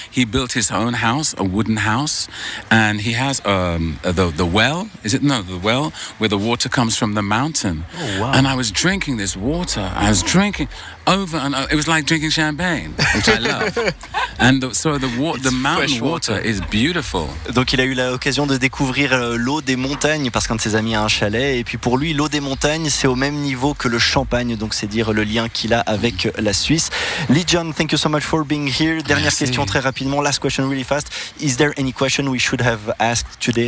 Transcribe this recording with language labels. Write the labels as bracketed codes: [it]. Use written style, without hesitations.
[en] He built his own house, a wooden house, and he has the well. Is it? No, the well where the water comes from the mountain. Oh, wow. And I was drinking this water. I was drinking over and over. It was like drinking champagne, which I love. And the mountain water is beautiful. [fr] Donc il a eu l'occasion de découvrir l'eau des montagnes parce qu'un de ses amis a un chalet. Et puis pour lui, l'eau des montagnes, c'est au même niveau que le champagne. Donc c'est dire le lien qu'il a avec la Suisse. [en] Legion, thank you so much for being here. [fr] Dernière Merci. [en] Question très rapidement. Last question really fast. Is there any question we should have asked today?